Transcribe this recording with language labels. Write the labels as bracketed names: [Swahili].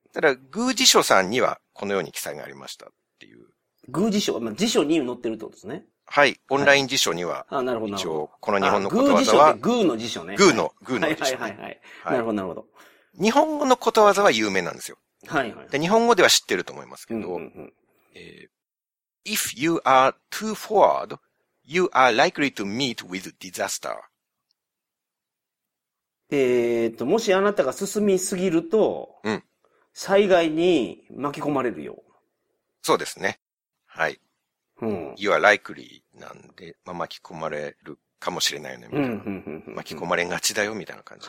[Japanese] ただ、宮司書さんにはこのように記載がありましたっていう。宮司書、まあ、辞書に載ってるってことですね。はい。オンライン辞書には、はい、あ、なるほど。一応、この日本のことわざは、宮の辞書ね。宮の、宮の辞書、ね。はい、はいはいはい。なるほど、なるほど。日本語のことわざは有名なんですよ。はいはい。で、日本語では知ってると思いますけど、うんうんうん、 [English] If you are too forward, you are likely to meet with disaster. [Japanese] もしあなたが進みすぎると、うん。災害に巻き込まれるよ。そうですね。はい。うん。 [English] You are likely [Japanese] なんで、まあ、巻き込まれるかもしれないよね、みたいな。うんうんうんうん、巻き込まれがちだよ、みたいな感じ。